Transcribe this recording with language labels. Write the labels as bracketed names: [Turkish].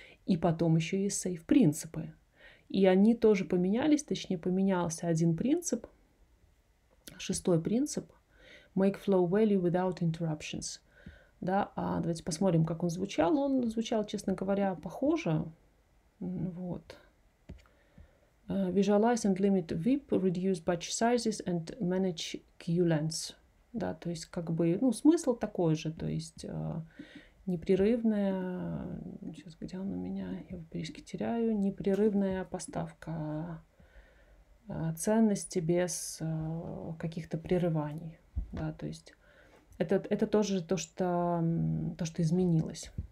[Russian] И потом еще есть сейф принципы. И они тоже поменялись, точнее поменялся один принцип, шестой принцип. [English] Make flow value without interruptions. Да? [Russian] А давайте посмотрим, как он звучал. Он звучал, честно говоря, похоже. Вот. [English] Visualize and limit WIP, reduce batch sizes and manage queue lengths. [Russian] Да, то есть как бы, ну, смысл такой же, то есть непрерывная, сейчас где он у меня, я в переписке теряю, непрерывная поставка ценности без каких-то прерываний. Да, то есть это тоже то, что изменилось.